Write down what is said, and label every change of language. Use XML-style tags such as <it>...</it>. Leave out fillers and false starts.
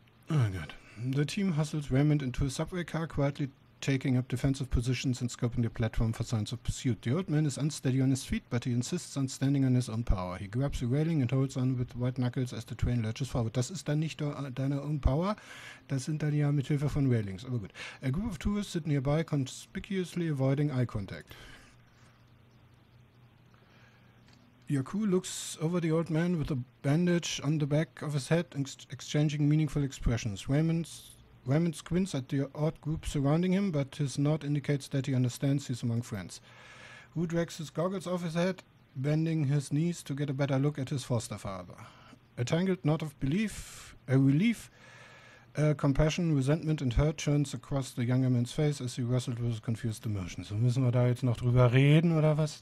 <en>Oh God. The team hustled Raymond into a subway car, quietly taking up defensive positions and scoping the platform for signs of pursuit. The old man is unsteady on his feet, but he insists on standing on his own power. He grabs the railing and holds on with white knuckles as the train lurches forward.</en> <de>Das ist dann nicht deine</de> <en>own power,</en> <de>das sind dann ja mit Hilfe von Railings, aber gut.</de> <en>A group of tourists sit nearby, conspicuously avoiding eye contact. Yaku looks over the old man with a bandage on the back of his head, exchanging meaningful expressions. Raymond squints at the odd group surrounding him, but his nod indicates that he understands he's among friends. Who drags his goggles off his head, bending his knees to get a better look at his foster father. A tangled knot of belief, a relief, a compassion, resentment and hurt turns across the younger man's face as he wrestled with his confused emotions.</en> <de>So müssen wir da jetzt noch drüber reden, oder was?</de>